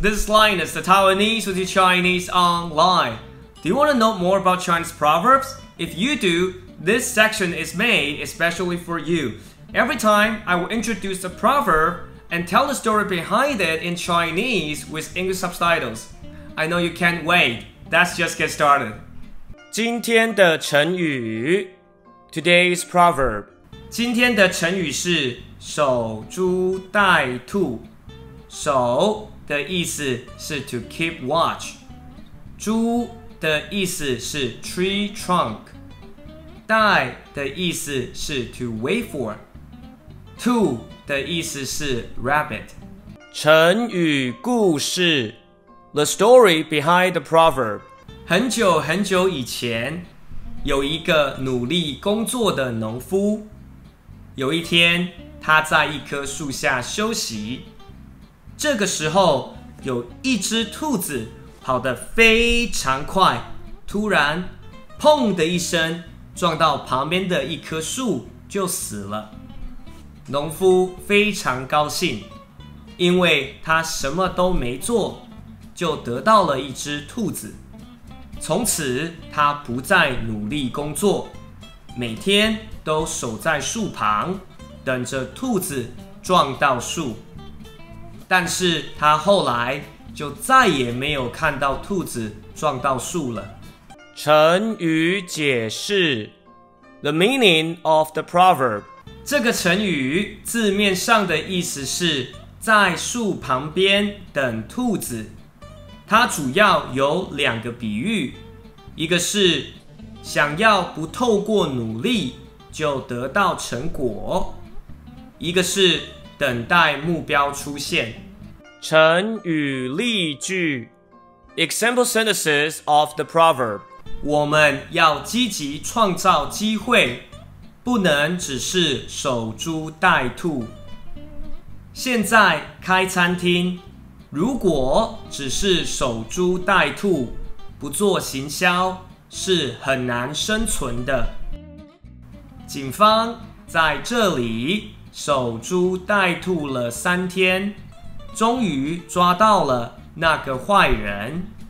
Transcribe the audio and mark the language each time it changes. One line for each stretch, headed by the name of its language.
English: This is Linus, the Taiwanese with your Chinese online. Do you want to know more about Chinese proverbs? If you do, this section is made especially for you. Every time, I will introduce a proverb and tell the story behind it in Chinese with English subtitles. I know you can't wait. Let's just get started.
Chinese: 今天的成语
English: Today's proverb
Chinese: 今天的成语是守株待兔守的意思是
English: to keep watch
Chinese: 株的意思是
English: tree trunk
Chinese: 待的意思是
English: to wait for
Chinese: 兔的意思是 rabbit 成语故事
English: The story behind the proverb
Chinese: 很久很久以前有一个努力工作的农夫有一天他在一棵树下休息这个时候有一只兔子跑得非常快突然砰的一声撞到旁边的一棵树就死了农夫非常高兴因为他什么都没做就得到了一只兔子从此他不再努力工作每天都守在树旁等着兔子撞到树但是他后来就再也没有看到兔子撞到树了。成语解释
English: The meaning of the proverb
Chinese: 这个成语字面上的意思是在树旁边等兔子。它主要有两个比喻一个是想要不透过努力就得到成果一个是等待目标出现成语例句
English: Example sentences of the proverb
Chinese: 我们要积极创造机会不能只是守株待兔现在开餐厅如果只是守株待兔不做行销是很难生存的警方在这里守株待兔了三天终于抓到了那个坏人